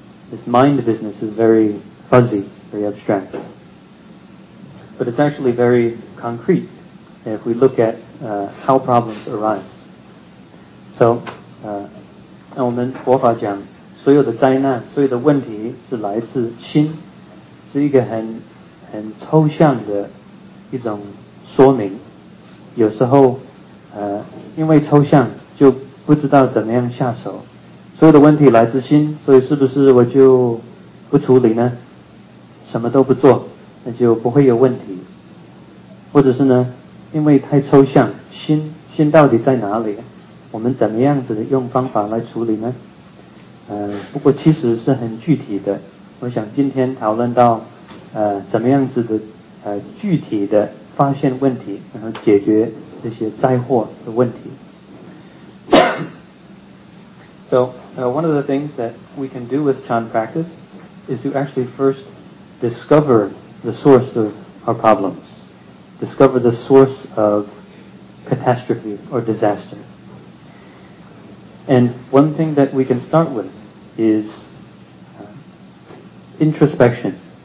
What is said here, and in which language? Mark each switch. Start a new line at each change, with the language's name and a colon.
English: This mind business is very fuzzy, very abstract. But it's actually very concrete if we look at how problems arise.
Chinese: So, 我们佛法讲, 所有的灾难, 所有的问题是来自心, 是一个很抽象的一种说明, 有时候, 因为抽象, 就不知道怎么样下手, 所有的问题来自心, 所以是不是我就不处理呢? 什么都不做, 那就不会有问题。或者是呢, 因为太抽象, 心, 心到底在哪里? 我们怎么样子的用方法来处理呢?不过其实是很具体的, 我想今天讨论到, 怎么样子的, 具体的发现问题, 然后解决这些灾祸的问题。
English: So, one of the things that we can do with Chan practice is to actually first discover the source of our problems, discover the source of catastrophe or disaster. And one thing that we can start with is introspection.